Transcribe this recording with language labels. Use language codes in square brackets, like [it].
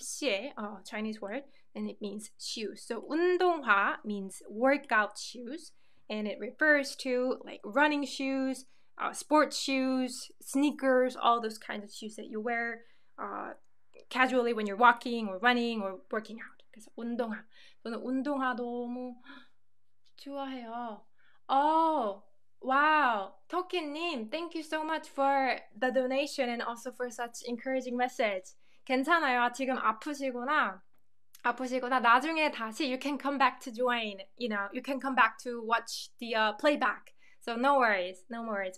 [en] 鞋, Chinese word, and it means shoes. So 운동화 means workout shoes, and it refers to like running shoes, sports shoes, sneakers, all those kinds of shoes that you wear casually when you're walking or running or working out. [ko] 그래서 운동화. 저는 운동화 너무 좋아해요. [en] Oh, wow. Toki-nim, thank you so much for the donation and also for such encouraging message. [ko] 괜찮아요. 지금 아프시구나. 아프시구나. 나중에 다시 [en] you can come back to join. You know, you can come back to watch the playback. So no worries. No worries.